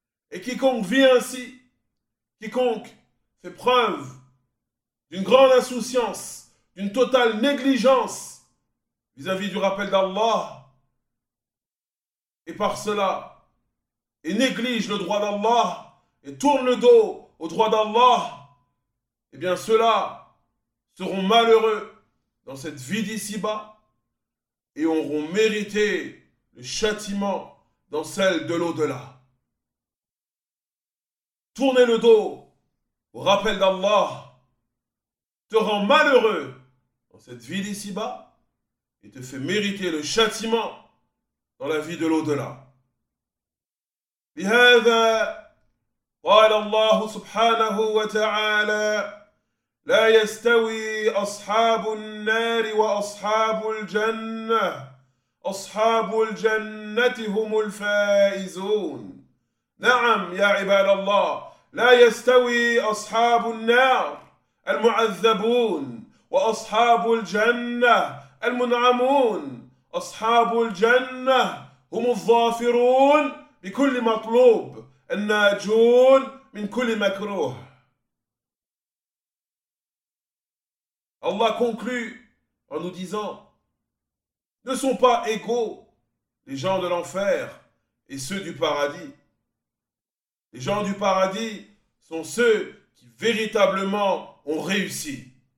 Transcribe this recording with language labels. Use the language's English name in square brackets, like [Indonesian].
[French] Et quiconque vit ainsi, quiconque fait preuve d'une grande insouciance, d'une totale négligence vis-à-vis du rappel d'Allah, et par cela, et néglige le droit d'Allah, et tourne le dos au droit d'Allah, eh bien ceux-là seront malheureux dans cette vie d'ici-bas et auront mérité le châtiment dans celle de l'au-delà. Tourner le dos au rappel d'Allah te rend malheureux dans cette vie d'ici-bas et te fait mériter le châtiment dans la vie de l'au-delà. [Arabic] بهذا قال الله سبحانه وتعالى لا يستوي أصحاب النار وأصحاب الجنة أصحاب الجنة هم الفائزون. نعم يا عباد الله لا يستوي أصحاب النار المعذبون وأصحاب الجنة المنعمون أصحاب الجنة هم الظافرون بكل مطلوب الناجون من كل مكروه. [French] Allah conclut en nous disant, ne sont pas égaux les gens de l'enfer et ceux du paradis. Les gens du paradis sont ceux qui véritablement ont réussi.